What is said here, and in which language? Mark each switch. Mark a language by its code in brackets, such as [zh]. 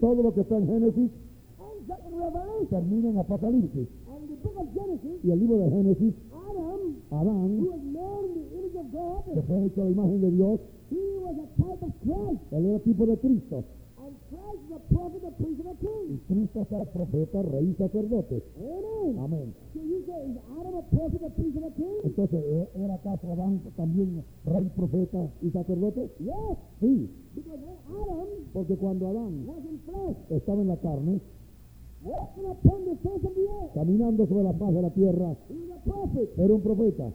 [es] todo lo que está en Génesis [en] Revelation, [es] termina en Apocalipsis. [en] And the book of Genesis, [es] y el libro de Génesis, [en] Adam, who was born in the image of God, [es] que fue hecho a la imagen de Dios, [en] he was a type of Christ, [es] él era tipo de Cristo. [en] And Christ was a prophet, a priest, and a king. [es] Y Cristo es el profeta, rey y sacerdote. [en] Amen. [es] Amen. [en] So you say, is Adam a prophet, a priest, and a king? [es] Entonces, ¿era acaso Adán también rey, profeta y sacerdote? [en] Yes. [es] Sí. [en] Because Adam, [es] porque cuando Adán [en] was in flesh, [es] estaba en la carne, [en] walking upon the face of the earth, [es] caminando sobre la faz de la tierra, [en] he was a prophet. [es] Era un profeta.